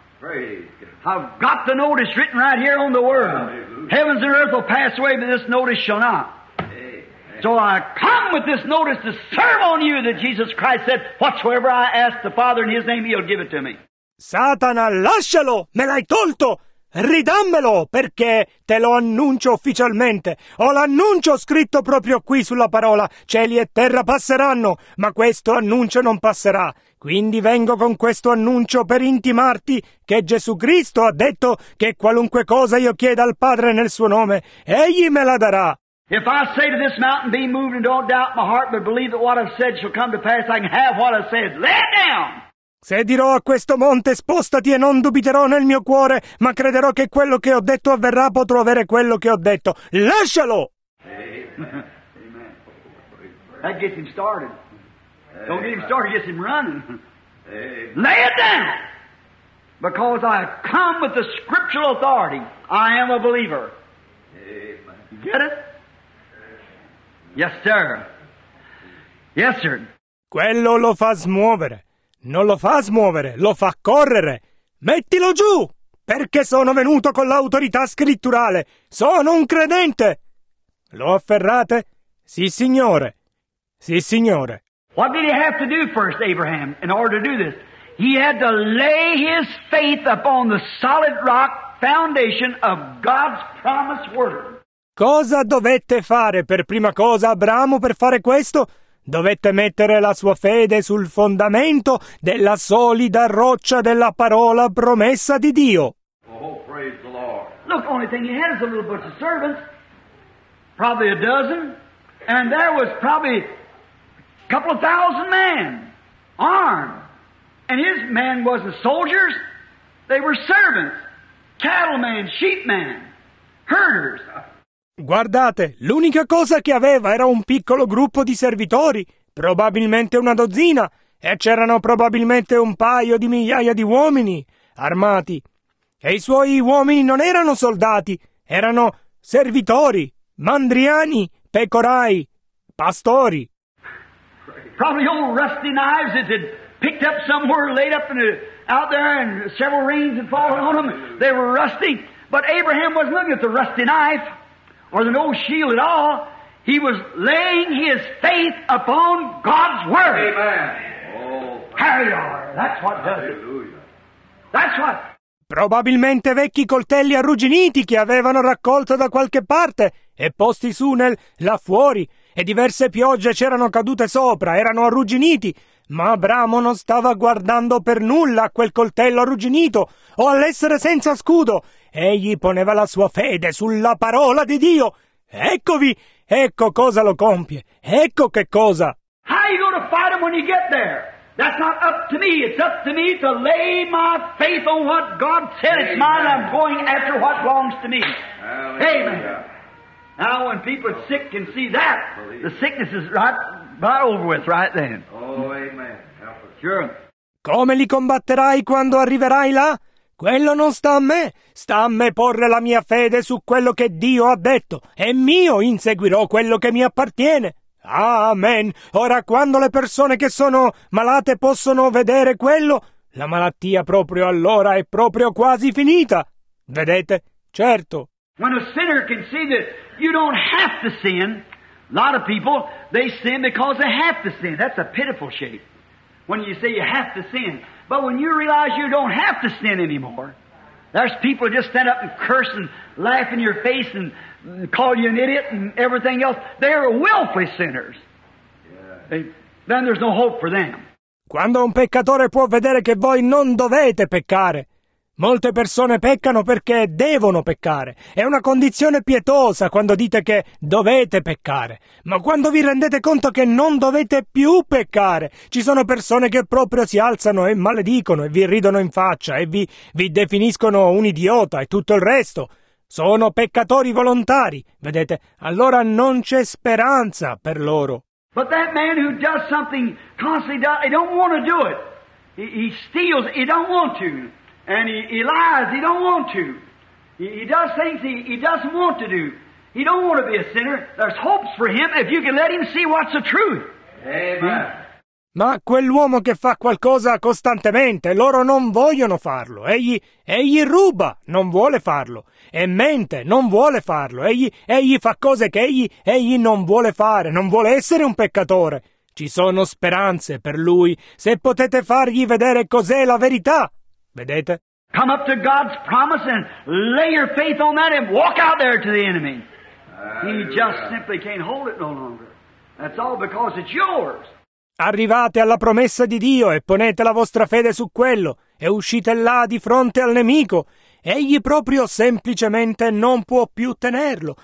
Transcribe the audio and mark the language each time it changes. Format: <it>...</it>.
<en>Praise God! I've got the notice written right here on the Word. Hallelujah. Heavens and earth will pass away, but this notice shall not. Amen. So I come with this notice to serve on you that Jesus Christ said, whatsoever I ask the Father in His name, He'll give it to me.</en> <it>Satana, lascialo! Me l'hai tolto! Ridammelo, perché te lo annuncio ufficialmente. Ho l'annuncio scritto proprio qui sulla parola. Cieli e terra passeranno, ma questo annuncio non passerà. Quindi vengo con questo annuncio per intimarti che Gesù Cristo ha detto che qualunque cosa io chieda al Padre nel suo nome, Egli me la darà.</it> <en>If I say to this mountain, be moved and don't doubt my heart, but believe that what I've said shall come to pass, I can have what I've said. Lay it down!</en> <it>Se dirò a questo monte, spostati e non dubiterò nel mio cuore, ma crederò che quello che ho detto avverrà, potrò avere quello che ho detto. Lascialo!</it> <en>Amen. That gets him started. Don't get him started, gets him running. Amen. Lay it down! Because I come with the scriptural authority. I am a believer. Amen. You get it? Yes, sir. Yes, sir.</en> <it>Quello lo fa smuovere. Non lo fa smuovere, lo fa correre. Mettilo giù! Perché sono venuto con l'autorità scritturale. Sono un credente! Lo afferrate? Sì, signore. Sì, signore.</it> <en>What did he have to do first, Abraham, in order to do this? He had to lay his faith upon the solid rock foundation of God's promised word.</en> <it>Cosa dovette fare per prima cosa Abramo per fare questo? Dovette mettere la sua fede sul fondamento della solida roccia della parola promessa di Dio.</it> <en>Oh, praise the Lord. Look, only thing he had is a little bunch of servants, probably a dozen, and there was probably a couple of thousand men armed. And his men wasn't soldiers, they were servants, cattlemen, sheepmen, herders.</en> <it>Guardate, l'unica cosa che aveva era un piccolo gruppo di servitori, probabilmente una dozzina, e c'erano probabilmente un paio di migliaia di uomini armati. E i suoi uomini non erano soldati, erano servitori, mandriani, pecorai, pastori.</it> <en>Probably old rusty knives that had picked up somewhere, laid up in a, out there, and several rains had fallen on them. They were rusty, but Abraham wasn't looking at the rusty knife. Or the no shield at all, he was laying his faith upon God's word. Amen. Oh, carry on. That's what does it. That's what.</en> <it>Probabilmente vecchi coltelli arrugginiti che avevano raccolto da qualche parte e posti su nel là fuori, e diverse piogge c'erano cadute sopra, erano arrugginiti, ma Abramo non stava guardando per nulla a quel coltello arrugginito o all'essere senza scudo. Egli poneva la sua fede sulla parola di Dio. Eccovi, ecco cosa lo compie. Ecco che cosa.</it> <en>How you gonna fight him when you get there? That's not up to me. It's up to me to lay my faith on what God said. Amen. It's mine. I'm going after what belongs to me. Hallelujah. Amen. Now, when people are sick and see that, believe the sickness is right about over with right then. Oh, amen. Sure.</en> <it>Come li combatterai quando arriverai là? Quello non sta a me. Sta a me porre la mia fede su quello che Dio ha detto. E mio inseguirò quello che mi appartiene. Amen. Ora, quando le persone che sono malate possono vedere quello, la malattia proprio allora è proprio quasi finita. Vedete? Certo.</it> <en>When a sinner can see that you don't have to sin, a lot of people, they sin because they have to sin. That's a pitiful shape. When you say you have to sin. But when you realize you don't have to sin anymore, there's people who just stand up and curse and laugh in your face and call you an idiot and everything else. They're willfully sinners. Yeah. Then there's no hope for them.</en> <it>Quando un peccatore può vedere che voi non dovete peccare. Molte persone peccano perché devono peccare. È una condizione pietosa quando dite che dovete peccare. Ma quando vi rendete conto che non dovete più peccare, ci sono persone che proprio si alzano e maledicono e vi ridono in faccia e vi definiscono un idiota e tutto il resto. Sono peccatori volontari, vedete? Allora non c'è speranza per loro.</it> <en>But that man who does something constantly does, he don't want to do it. He steals, he don't want to. And he lies, he don't want to. He does things he doesn't want to do. He don't want to be a sinner. There's hopes for him if you can let him see what's the truth. Amen.</en> <it>Ma quell'uomo che fa qualcosa costantemente, loro non vogliono farlo. Egli ruba, non vuole farlo. E mente, non vuole farlo. Egli fa cose che egli non vuole fare, non vuole essere un peccatore. Ci sono speranze per lui, se potete fargli vedere cos'è la verità. Vedete?</it> <en>Come up to God's promise and lay your faith on that and walk out there to the enemy. He just simply can't hold it no longer. That's all because it's yours.</en> <it>Arrivate alla promessa di Dio e ponete la vostra fede su quello e uscite là di fronte al nemico. Egli proprio semplicemente non può più tenerlo.</it>